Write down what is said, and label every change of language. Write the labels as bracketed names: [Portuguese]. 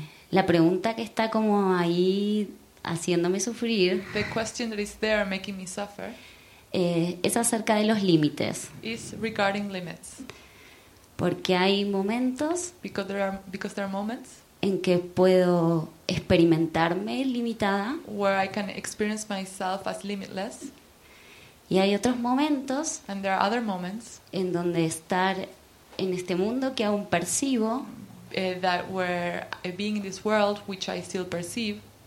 [Spanish] La pregunta que está como ahí haciéndome sufrir, [English] the question that is there making me suffer, [Spanish] es acerca de los límites. [English] Is regarding limits. [Spanish] Porque hay momentos, [English] because there are moments, [Spanish] en que puedo experimentarme limitada, [English] where I can experience myself as limitless, [Spanish] y hay otros momentos, [English] and there are other moments, [Spanish] en donde estar en este mundo que aún percibo, [English] that were being in this world which I still perceive,